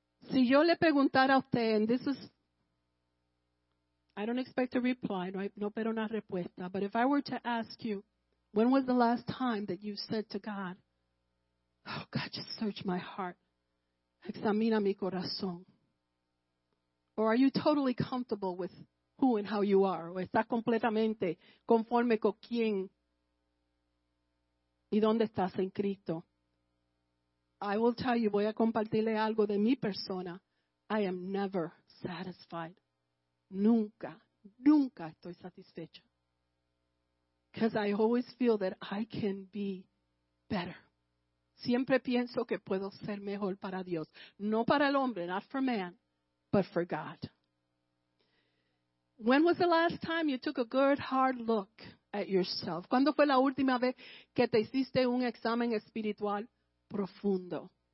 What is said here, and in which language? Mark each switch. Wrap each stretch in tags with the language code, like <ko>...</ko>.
<es>Si yo le preguntara a usted,</es> <en>and this is, I don't expect a reply, right?</en> <es>No pero una respuesta.</es> <en>But if I were to ask you, when was the last time that you said to God, oh God, just search my heart.</en> <es>Examina mi corazón.</es> <en>Or are you totally comfortable with who and how you are?</en> <es>¿O estás completamente conforme con quién y dónde estás en Cristo?</es> <en>I will tell you,</en> <es>voy a compartirle algo de mi persona.</es> <en>I am never satisfied.</en> <es>Nunca, nunca estoy satisfecha.</es> <en>Because I always feel that I can be better.</en> <es>Siempre pienso que puedo ser mejor para Dios. No para el hombre,</es> <en>not for man. But for God. When was the last time you took a good hard look at yourself?</en> <es>¿Cuándo fue la última vez que te hiciste un examen espiritual profundo?</es>